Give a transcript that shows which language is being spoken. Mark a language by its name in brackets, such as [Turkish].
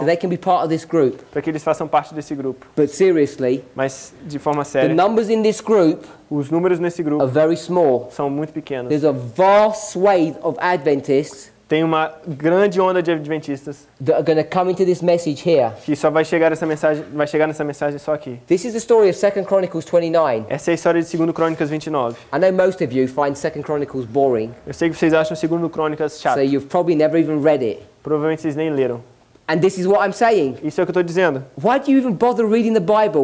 [English] So they can be part of this group. [Portuguese] Para que eles façam parte desse grupo. [English] But seriously. [Portuguese] Mas de forma séria. [English] The numbers in this group. [Portuguese] Os números nesse grupo. [English] Are very small. [Portuguese] São muito pequenos. [English] There's a vast swath of Adventists. [Portuguese] Tem uma grande onda de adventistas. [English] That are going to come into this message here. [Portuguese] Que só vai chegar nessa mensagem só aqui. [English] This is the story of 2 Chronicles 29. [Portuguese] Essa é a história de 2 Crônicas 29. [English] I know most of you find 2 Chronicles boring. [Portuguese] Eu sei que vocês acham 2 Crônicas chato. [English] So you've probably never even read it. [Portuguese] Provavelmente vocês nem leram. [English] And this is what I'm saying. [Portuguese] Isso é o que eu tô dizendo. [English] Why do you even bother reading the Bible?